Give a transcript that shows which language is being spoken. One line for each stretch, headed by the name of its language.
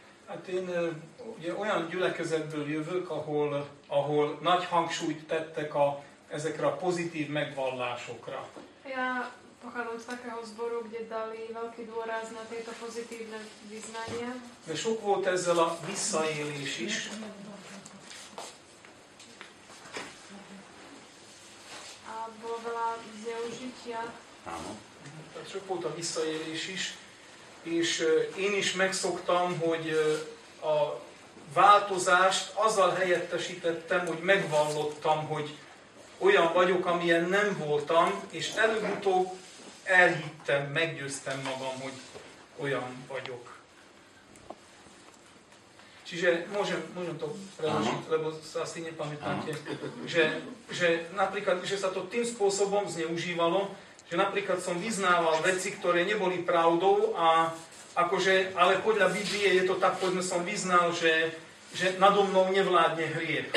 Hungarian: Hát én ugye olyan gyülekezetből jövök, ahol nagy hangsúlyt tettek ezekre a pozitív megvallásokra.
Slovak: Ja pochádzam z takého zboru, kde dali veľký dôraz na tieto pozitívne vyznania.
Hungarian: De sok volt ezzel a visszaélés is.
Slovak: A bolo veľa zneužitia. Áno.
Hungarian: Sok volt a visszaélés is. És én is megszoktam, hogy a változást azzal helyettesítettem, hogy megvallottam, hogy olyan vagyok, amilyen nem voltam, és előbb-utóbb elhittem, meggyőztem magam, hogy olyan vagyok.
Slovak: Čiže môžem to preložiť, lebo sa asi nepamätáte, že napríklad, že sa to tým spôsobom zneužívalo, že napríklad som vyznával veci, ktoré neboli pravdou, a akože, ale podľa Biblie je to tak, poďme, som vyznal, že nado mnou nevládne hriech.